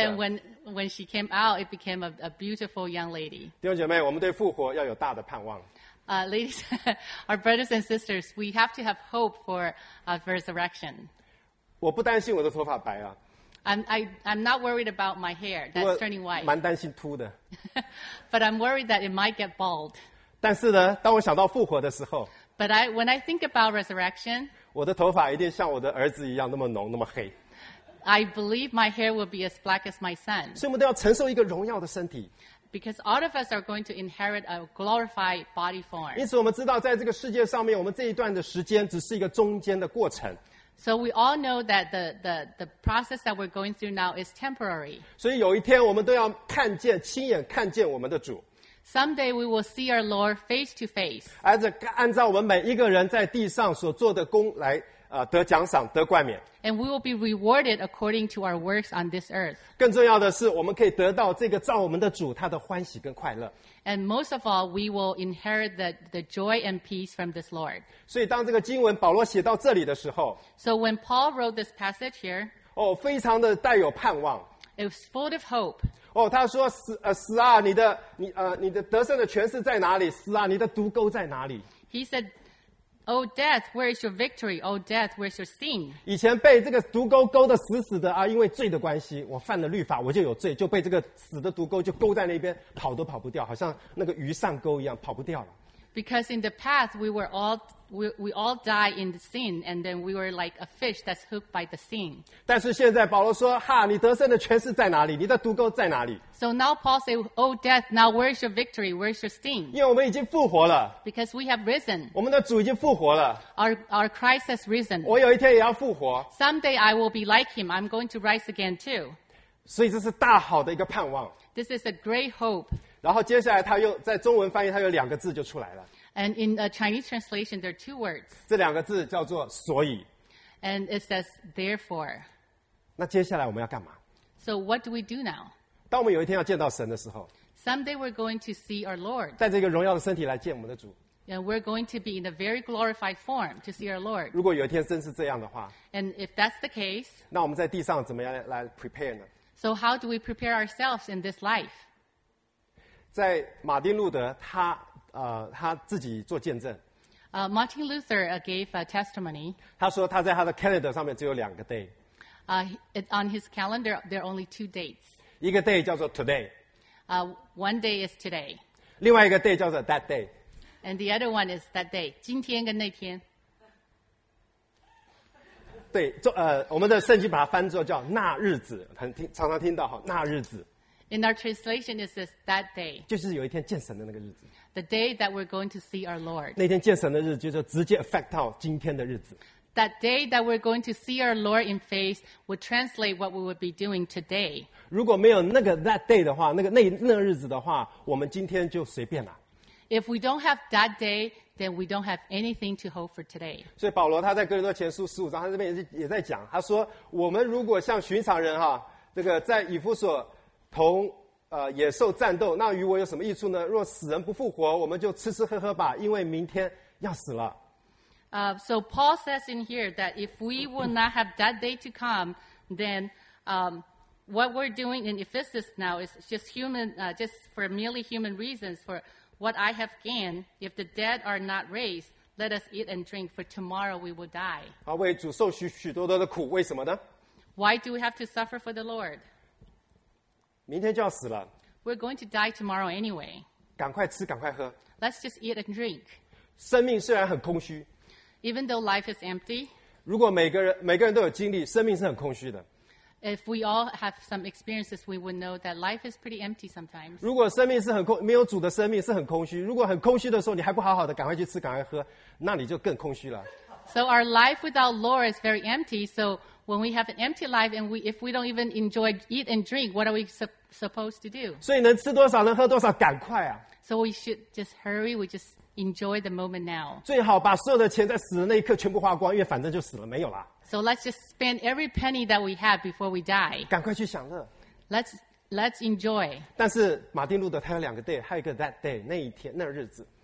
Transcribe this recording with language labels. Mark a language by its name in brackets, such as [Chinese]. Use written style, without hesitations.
[English] And then when she came out, it became a beautiful young lady. [Chinese] 弟兄姐妹，我们对复活要有大的盼望。 [English] Ladies, our brothers and sisters, we have to have hope for resurrection. [Chinese] 我不担心我的头发白啊。 [English] I'm not worried about my hair that's turning white. [Chinese] 蛮担心秃的。 [English] But I'm worried that it might get bald. [Chinese] 但是呢，当我想到复活的时候。 [English] But when I think about resurrection, [Chinese] 我的头发一定像我的儿子一样那么浓那么黑。 [English] I believe my hair will be as black as my son. [Chinese] 所以我们都要承受一个荣耀的身体。 [English] Because all of us are going to inherit a glorified body form. [Chinese] 因此我们知道在这个世界上面我们这一段的时间只是一个中间的过程。 [English] So we all know that the process that we're going through now is temporary. [Chinese] 所以有一天我们都要看见亲眼看见我们的主。 [English] Someday we will see our Lord face to face. [Chinese] 按照我们每一个人在地上所做的功来得奖赏得冠冕。 [English] And we will be rewarded according to our works on this earth. [Chinese] 更重要的是我们可以得到这个造我们的主他的欢喜跟快乐。 [English] And most of all, we will inherit the joy and peace from this Lord. [Chinese] 所以当这个经文保罗写到这里的时候。 [English] So when Paul wrote this passage here. [Chinese] 哦，非常的带有盼望。 [English] It was full of hope. [Chinese] 哦，他说死啊，你的得胜的权势在哪里？死啊，你的毒钩在哪里 [English] ？He said, "Oh death, where is your victory? Oh death, where is your sting?" [Chinese] 以前被这个毒钩钩的死死的啊，因为罪的关系，我犯了律法，我就有罪，就被这个死的毒钩就勾在那边，跑都跑不掉，好像那个鱼上钩一样，跑不掉了。 [English] Because in the past we all die in the sin, and then we were like a fish that's hooked by the sin. [Chinese] 但是现在保罗说，哈，你得胜的权势在哪里？你的毒钩在哪里 [English] ？So now Paul says, "Oh death, now where is your victory? Where is your sting?" [Chinese] 因为我们已经复活了。 [English] Because we have risen. [Chinese] 我们的主已经复活了。 [English] Our Christ has risen. [Chinese] 我有一天也要复活。 [English] Someday I will be like him. I'm going to rise again too. [Chinese] 所以这是大好的一个盼望。 [English] This is a great hope. [Chinese] 然后接下来他又在中文翻译，他有两个字就出来了。 [English] And in a Chinese translation, there are two words. [Chinese] 这两个字叫做所以。 [English] And it says therefore. [Chinese] 那接下来我们要干嘛 [English] ？So what do we do now? [Chinese] 当我们有一天要见到神的时候 [English] ，Someday we're going to see our Lord. [Chinese] 带着一个荣耀的身体来见我们的主。 [English] And we're going to be in a very glorified form to see our Lord. [Chinese] 如果有一天真是这样的话 [English] ，And if that's the case, [Chinese] 那我们在地上怎么样来 prepare 呢 [English] ？So how do we prepare ourselves in this life? [Chinese] 在马丁路德他。他自己做见证。 [English] Martin Luther gave a testimony. [Chinese] 他说他在他的 calendar 上面只有两个 day. [English] On his calendar, there are only two dates. [Chinese] 一个 day 叫做 today. [English] One day is today. [Chinese] 另外一个 day 叫做 that day. [English] And the other one is that day. [Chinese] 今天跟那天。对，我们的圣经把它翻作叫那日子，常常听到哈，那日子。 [English] In our translation, it says that day. [Chinese] 就是有一天见神的那个日子。 [English] The day that we're going to see our Lord. [Chinese] 那天见神的日子就是直接 affect 到今天的日子。 [English] That day that we're going to see our Lord in face would translate what we would be doing today. [Chinese] 如果没有那个 that day 的话，那日子的话，我们今天就随便了。 [English] If we don't have that day, then we don't have anything to hope for today. [Chinese] 所以保罗他在哥林多前书十五章，他这边也在讲，他说我们如果像寻常人哈，这个在以弗所同。野兽战斗，那与我有什么益处呢？若死人不复活，我们就吃吃喝喝吧，因为明天要死了。 [English] So Paul says in here that if we will not have that day to come, then what we're doing in Ephesus now is just human, just for merely human reasons. For what I have gained, if the dead are not raised, let us eat and drink, for tomorrow we will die. [Chinese] 啊，为主受许许多多的苦，为什么呢？ [English] Why do we have to suffer for the Lord? [Chinese] 明天就要死了。 [English] We're going to die tomorrow anyway. [Chinese] 赶快吃，赶快喝。 [English] Let's just eat and drink. [Chinese] 生命虽然很空虚。 [English] Even though life is empty. [Chinese] 如果每个人都有经历，生命是很空虚的。 [English] If we all have some experiences, we would know that life is pretty empty sometimes. [Chinese] 如果生命是很空，没有主的生命是很空虚。如果很空虚的时候，你还不好好的赶快去吃，赶快喝，那你就更空虚了。 [English] So our life without Lord is very empty. So when we have an empty life, and if we don't even enjoy eat and drink, what are we supposed to do? [Chinese] 所以能吃多少，能喝多少，赶快啊！ [English] So we should just hurry. We just enjoy the moment now. [Chinese] 最好把所有的钱在死的那一刻全部花光，因为反正就死了，没有了。 [English] So let's just spend every penny that we have before we die. [Chinese] 赶快去享乐。 [English] Let's enjoy. [Chinese] 但是马丁路德他有两个 day， 还有一个 that day， 那一天那日子。